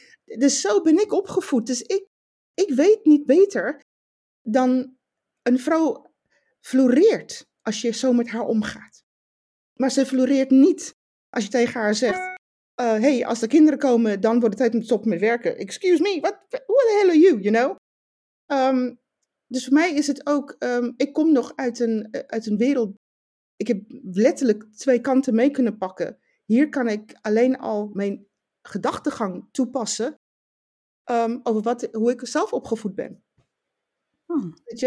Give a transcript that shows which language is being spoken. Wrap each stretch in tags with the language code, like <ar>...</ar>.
<nl>Dus zo ben ik opgevoed. Dus ik weet niet beter dan een vrouw floreert als je zo met haar omgaat. Maar ze floreert niet als je tegen haar zegt, hey, als de kinderen komen, dan wordt het tijd om te stoppen met werken.</nl> <en>Excuse me, who the hell are you, you know?</en> <nl>Dus voor mij is het ook, ik kom nog uit een wereld, ik heb letterlijk twee kanten mee kunnen pakken. Hier kan ik alleen al mijn gedachtegang toepassen over hoe ik zelf opgevoed ben. Hmm. Weet je?</nl>